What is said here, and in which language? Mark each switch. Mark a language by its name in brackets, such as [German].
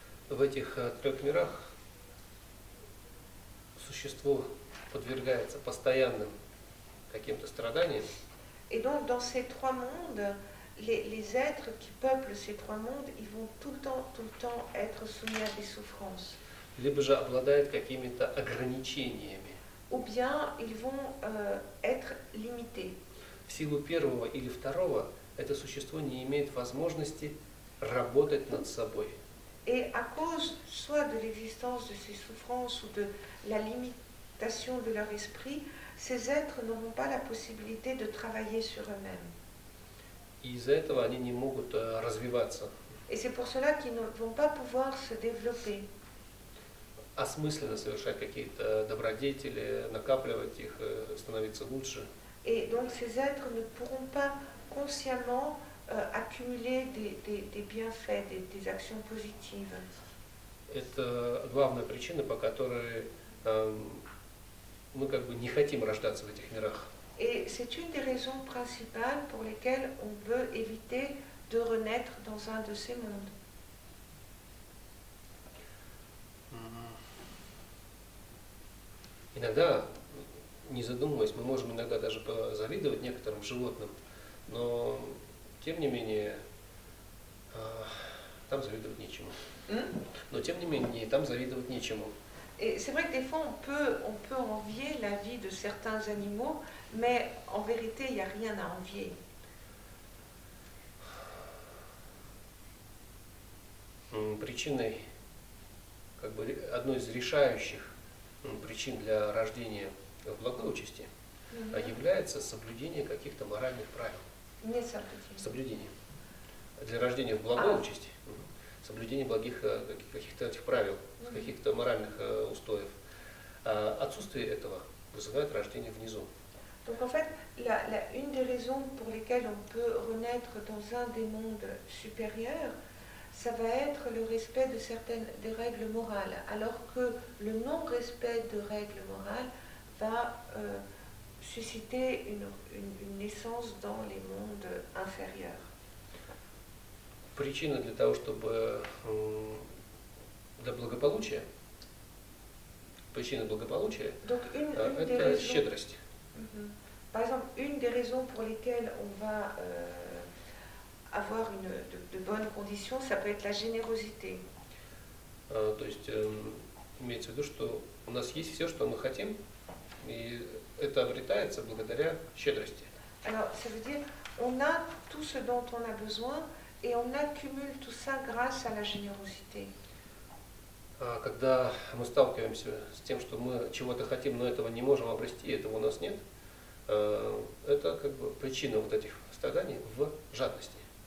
[Russian] В этих трех мирах существо подвергается постоянным каким-то страданиям. [French] Et donc dans ces trois mondes, les êtres qui peuplent ces trois mondes, ils vont tout le temps être soumis à des souffrances. [Russian] Либо же обладают какими-то ограничениями. [French] Ou bien ils vont être limités. [Russian] В силу первого или второго это существо не имеет возможности работать над собой. [French] Et à cause soit de l'existence de ces souffrances ou de la limite de leur esprit, ces êtres n'auront pas la possibilité de travailler sur eux-mêmes. [Russian] Из-за этого они не могут развиваться. [French] Et c'est pour cela qu'ils ne vont pas pouvoir se développer. [Russian] Осмысленно совершать какие-то добродетели, накапливать их, становиться лучше. [French] Et donc ces êtres ne pourront pas consciemment accumuler des bienfaits, des actions positives. [Russian] Это главная причина, по которой мы как бы не хотим рождаться в этих мирах. [French] Et c'est une des raisons principales pour lesquelles on veut éviter de renaître dans un de ces mondes. [Russian] Иногда, не задумываясь, мы можем иногда даже позавидовать некоторым животным, но тем не менее там завидовать нечему. Но тем не менее там завидовать нечему. [French] Et c'est vrai que des fois, on peut envier la vie de certains animaux, mais en vérité, il n'y a rien à envier. [Russian] Причиной, как бы, одной из решающих причин для рождения в благой участи является соблюдение каких-то моральных правил. Нет, соблюдение. Соблюдение. Для рождения в благой участи. Соблюдение благих каких-то этих правил, каких-то моральных устоев. Отсутствие этого вызывает рождение внизу. [French] Donc en fait, une des raisons pour lesquelles on peut renaître dans un des mondes supérieurs, ça va être le respect de certaines des règles morales, alors que le non-respect de règles morales va susciter une naissance dans les mondes inférieurs. [Russian] Причина для того, чтобы для благополучия, причина благополучия, [French] donc, [Russian] это [French] raisons, [Russian] щедрость. Mm-hmm. [French] Par exemple, une des raisons pour lesquelles on va avoir une de bonnes conditions, ça peut être la générosité. [Russian] То есть имеется в виду, что у нас есть все, что мы хотим, и это обретается благодаря щедрости. [French] Alors, ça veut dire, on a tout ce dont on a besoin. Et on accumule tout ça grâce à la générosité. [Russian] Когда мы сталкиваемся с тем, что мы чего-то хотим, но этого не можем обрести, этого у нас нет, это как бы причина вот этих страданий в жадности.